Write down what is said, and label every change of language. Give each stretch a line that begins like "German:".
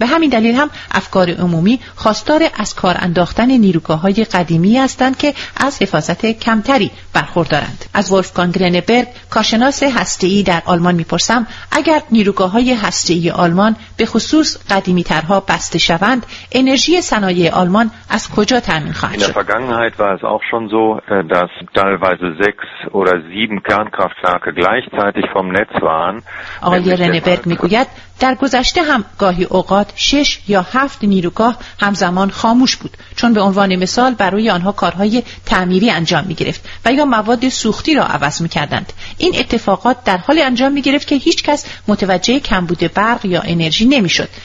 Persian: به همین دلیل هم افکار عمومی خواستار از کار انداختن نیروگاه‌های قدیمی هستند که از حفاظت کمتری برخوردارند. از ولفگانگ رنبرگ کارشناس هسته‌ای در آلمان می‌پرسم اگر نیروگاه‌های هسته‌ای آلمان به خصوص قدیمی‌ترها بسته شوند انرژی صنایع آلمان از کجا تامین خواهد شد؟
German: In der Vergangenheit war es auch schon so, dass teilweise 6 oder 7 Kernkraftwerke gleichzeitig vom Netz waren.
Persian: آقای رنبرگ می‌گوید در گذشته هم گاهی اوقات 6 یا 7 نیروگاه همزمان خاموش بود چون به عنوان مثال برای آنها کارهای تعمیری انجام می‌گرفت و یا مواد سوختی را عوض می‌کردند. این اتفاقات در حالی انجام می‌گرفت که هیچ کس متوجه کمبود برق یا انرژی نمی‌شد.